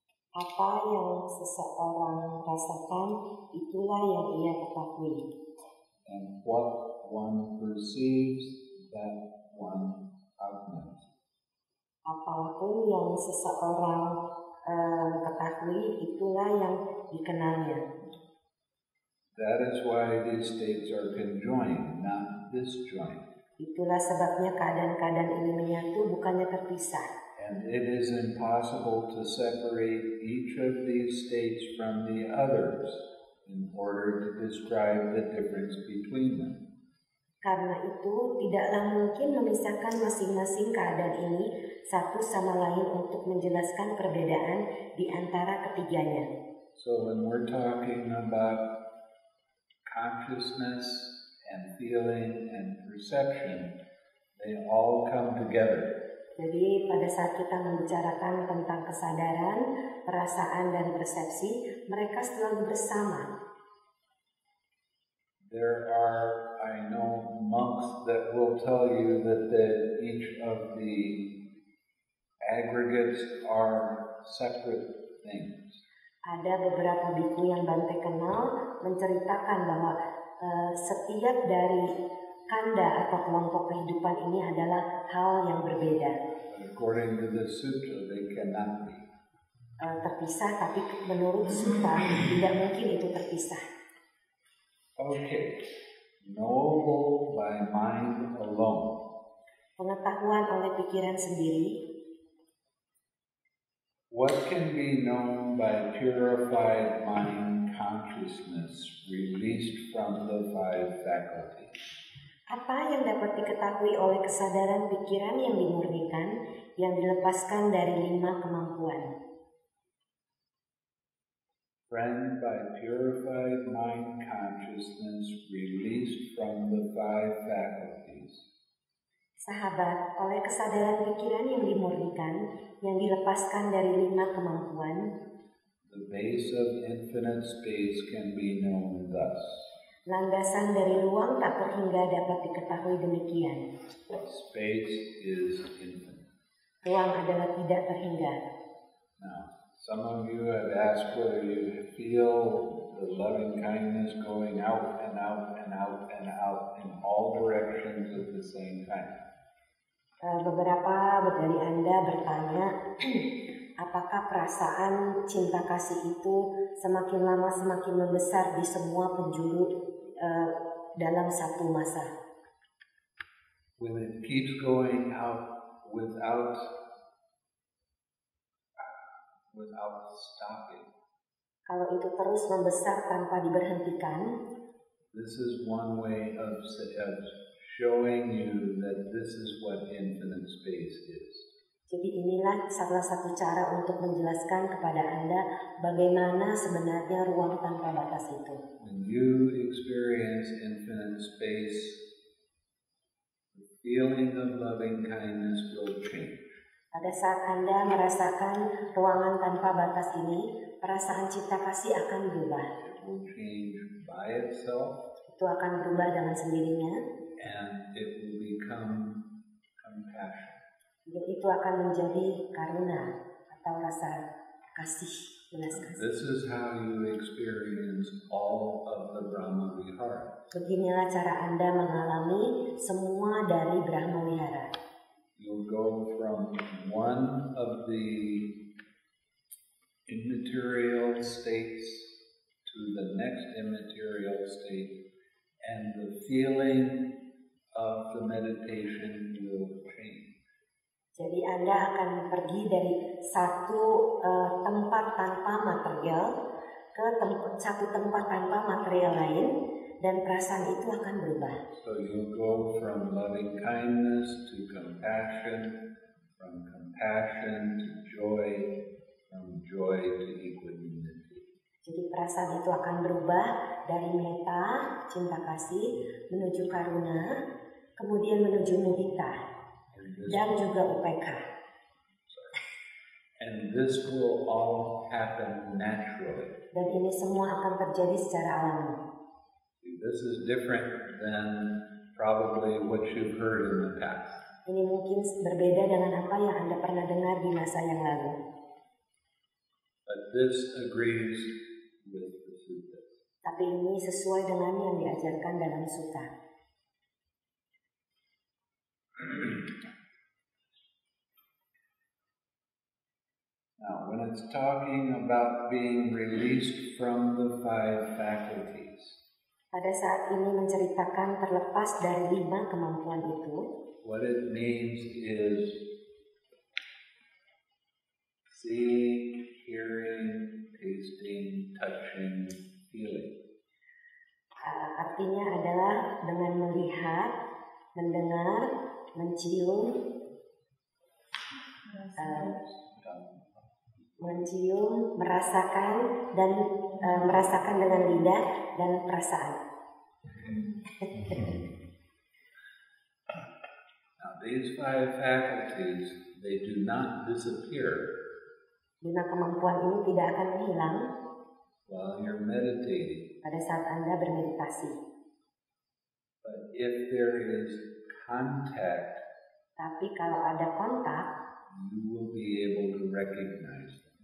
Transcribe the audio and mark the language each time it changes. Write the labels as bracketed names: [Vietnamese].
[Indonesian] Apa yang seseorang rasakan, itulah yang ia ketahui. [English] And what one perceives, that one augments. [Indonesian] Apapun yang seseorang ketahui, itulah yang dikenalnya. [English] That is why these states are conjoined, not disjoined. [Indonesian] Itulah sebabnya keadaan-keadaan ini menyatu, bukannya terpisah. [English] And it is impossible to separate each of these states from the others in order to describe the difference between them. [Indonesian] Karena itu, tidaklah mungkin memisahkan masing-masing keadaan ini satu sama lain untuk menjelaskan perbedaan di antara ketiganya. [English] So when we're talking about consciousness, and feeling and perception, they all come together. [Indonesian] Jadi pada saat kita membicarakan tentang kesadaran, perasaan dan persepsi, mereka selalu bersama. [English] There are, I know, monks that will tell you that each of the aggregates are separate things. [Indonesian] Ada beberapa biku yang Bante kenal menceritakan bahwa setiap dari kanda atau kelompok kehidupan ini adalah hal yang berbeda. [English] According to the sutra, they cannot be. [Indonesian] Terpisah, tapi menurut sutta tidak mungkin itu terpisah. [English] Okay, knowable by mind alone. [Indonesian] Pengetahuan oleh pikiran sendiri. [English] What can be known by purified mind? Consciousness released from the five faculties. [Indonesian] Apa yang dapat diketahui oleh kesadaran pikiran yang dimurnikan, yang dilepaskan dari lima kemampuan? [English] Friend, by purified mind consciousness released from the five faculties. [Indonesian] Sahabat, oleh kesadaran pikiran yang dimurnikan, yang dilepaskan dari lima kemampuan, [English] the base of infinite space can be known thus. [Indonesian] Landasan dari ruang tak terhingga dapat diketahui demikian. [English] Space is infinite. [Indonesian] Ruang adalah tidak terhingga. [English] Now, some of you have asked whether you feel the loving kindness going out and out and out and out in all directions at the same time. [Indonesian] Beberapa dari Anda bertanya, apakah perasaan cinta kasih itu semakin lama semakin membesar di semua penjuru dalam satu masa? [English] When it keeps going up without stopping. [Indonesian] Kalau itu terus membesar tanpa diberhentikan. [English] This is one way of showing you that this is what infinite space is. [Indonesian] Jadi inilah salah satu cara untuk menjelaskan kepada Anda bagaimana sebenarnya ruang tanpa batas itu. [English] When you experience infinite space, the feeling of loving kindness will change. [Indonesian] Pada saat Anda merasakan ruangan tanpa batas ini, perasaan cinta kasih akan berubah. [English] It will change by itself. [Indonesian] Itu akan berubah dengan sendirinya. [English] And it will become compassion. [Indonesian] Dan itu akan menjadi karuna atau rasa kasih, belas kasih. [English] This is how you experience all of the Brahma Vihara. [Indonesian] Beginilah cara Anda mengalami semua dari Brahma Vihara. [English] You go from one of the immaterial states to the next immaterial state, and the feeling of the meditation will change. [Indonesian] Jadi Anda akan pergi dari satu tempat tanpa material ke satu tempat tanpa material lain, dan perasaan itu akan berubah. [English] So you go from loving kindness to compassion, from compassion to joy, from joy to equanimity. [Indonesian] Jadi perasaan itu akan berubah dari metta, cinta kasih, menuju karuna, kemudian menuju mudita. Dan juga UPK. [English] And this will all happen naturally. [Indonesian] Dan ini semua akan terjadi secara alami. [English] This is different than probably what you've heard in the past. [Indonesian] Ini mungkin berbeda dengan apa yang Anda pernah dengar di masa yang lalu. [English] But this agrees with the Sutta. [Indonesian] Tapi ini sesuai dengan yang diajarkan dalam Sutta. [English] Now, when it's talking about being released from the five faculties, [Indonesian] pada saat ini menceritakan terlepas dari lima kemampuan itu, [English] what it means is seeing, hearing, tasting, touching, feeling. [Indonesian] Artinya adalah dengan melihat, mendengar, mencium, mencium, merasakan, dan merasakan dengan lidah dan perasaan. [English] Now these five faculties, they do not disappear. [Indonesian] Lima kemampuan ini tidak akan hilang. [English] While you're meditating. [Indonesian] Pada saat Anda bermeditasi. [English] But if there is contact. [Indonesian] Tapi kalau ada kontak. [English] You will be able to recognize them.